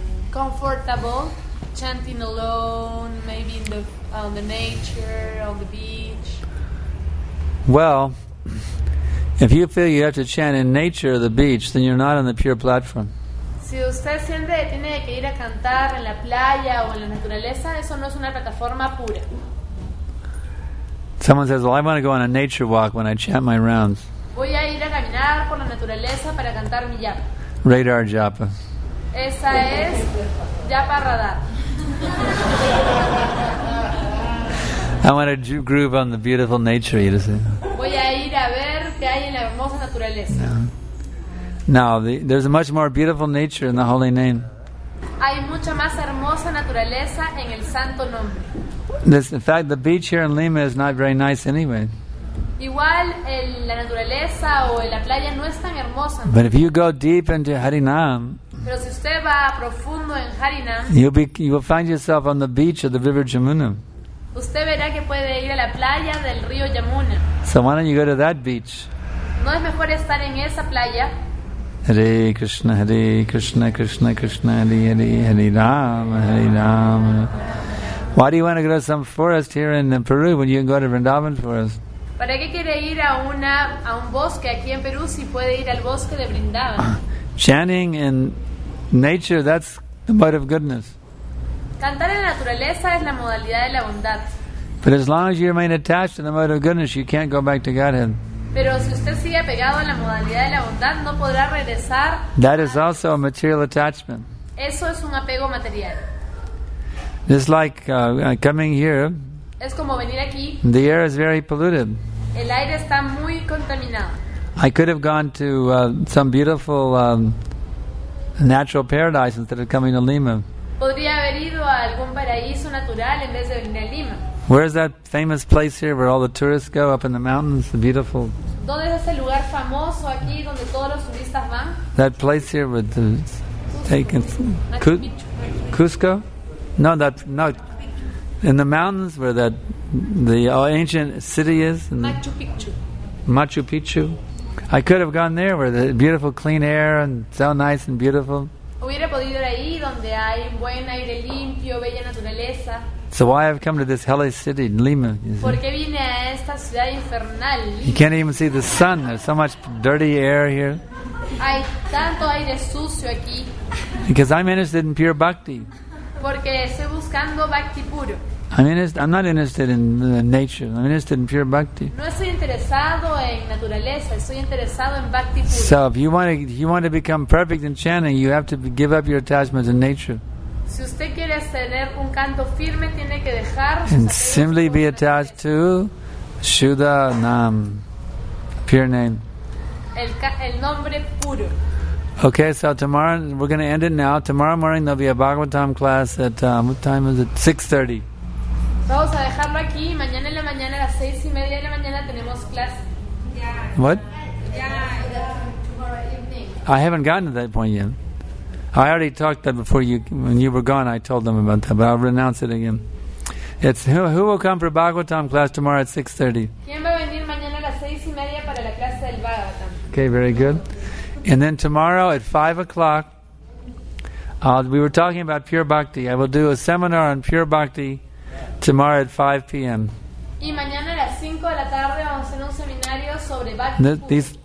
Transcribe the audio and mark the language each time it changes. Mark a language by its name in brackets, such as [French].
[English] Comfortable chanting alone, maybe in the on the nature, on the beach. Well, if you feel you have to chant in nature or the beach, then you're not on the pure platform. [Spanish] Si usted siente que tiene que ir a cantar en la playa o en la naturaleza, eso no es una plataforma pura. [English] Someone says, "Well, I want to go on a nature walk when I chant my rounds." [Spanish] Voy a ir a caminar por la naturaleza para cantar mi japa. Radar japa. Esa es japa radar. [English] I want to groove on the beautiful nature, you see. [Spanish] Voy a ir a ver qué hay en la hermosa naturaleza. [English] No, no, there's a much more beautiful nature in the holy name. [Spanish] Hay mucha más hermosa naturaleza en el santo nombre. [English] This, in fact, the beach here in Lima is not very nice anyway. [Spanish] Igual la naturaleza o la playa no es tan hermosa. [English] But if you go deep into Harinam, [Spanish] pero si usted va profundo en Harinam, [English] you will find yourself on the beach of the river Yamuna. [Spanish] Usted verá que puede ir a la playa del río Yamuna. [English] So why don't you go to that beach? [Spanish] ¿No es mejor estar en esa playa? [Sanskrit] Hare Krishna, Hare Krishna, Krishna Krishna, Hare Hare, Hare Rama, Hare Rama. [English] Why do you want to go to some forest here in Peru when you can go to Vrindavan Forest? [Spanish] ¿Para qué quiere ir a un bosque aquí en Perú si puede ir al bosque de Vrindavan? [English] Chanting in nature, that's the mode of goodness. [Spanish] Cantar en la naturaleza es la modalidad de la bondad. [English] But as long as you remain attached to the mode of goodness, you can't go back to Godhead. [Spanish] Pero si usted sigue apegado a la modalidad de la bondad, no podrá regresar. [English] That is also a material attachment. [Spanish] Eso es un apego material. [English] It's like coming here. [Spanish] Es como venir aquí. [English] The air is very polluted. [Spanish] El aire está muy contaminado. [English] I could have gone to some beautiful natural paradise instead of coming to Lima. [Spanish] Podría haber ido a algún paraíso natural en vez de venir a Lima. [English] Where is that famous place here where all the tourists go up in the mountains, the beautiful? [Spanish] ¿Dónde es ese lugar famoso aquí donde todos los turistas van? [English] That place here with the taken Cusco? No, that no. In the mountains where that the ancient city is. Machu Picchu. Machu Picchu. I could have gone there where the beautiful clean air and so nice and beautiful. [Spanish] Hubiera podido ir ahí donde hay buen aire limpio, bella naturaleza. [English] So why have I come to this hellish city, Lima? [Spanish] ¿Por qué vine a esta ciudad infernal, Lima? [English] You can't even see the sun. There's so much dirty air here. [Spanish] hay tanto aire sucio aquí. [English] Because I'm interested in pure bhakti. [Spanish] Porque estoy buscando bhakti puro. [English] I'm not interested in nature. I'm interested in pure bhakti. [Spanish] No estoy interesado en naturaleza. Estoy interesado en bhakti puro. [English] So if you want to become perfect in chanting, you have to give up your attachments in nature. [Spanish] Si usted quiere tener un canto firme, tiene que dejar. [English] And simply be attached to Shuddha Nam, pure name. [Spanish] El nombre puro. [English] Okay, so tomorrow we're going to end it now. Tomorrow morning there'll be a Bhagavatam class at what time is it? 6:30. [Spanish] Vamos a dejarlo aquí. Mañana en la mañana a las 6:30 de la mañana tenemos clase. [English] What? Yeah, tomorrow evening. I haven't gotten to that point yet. I already talked that before you when you were gone. I told them about that, but I'll renounce it again. It's who will come for Bhagavatam class tomorrow at 6:30? [Spanish] ¿Quién va a venir mañana a las 6:30 para la clase del Bhagavatam? [English] Okay, very good. And then tomorrow at 5:00, we were talking about pure bhakti. I will do a seminar on pure bhakti tomorrow at 5 p.m. [Spanish] Y mañana a las 5 de la tarde vamos a hacer un seminario sobre bhakti.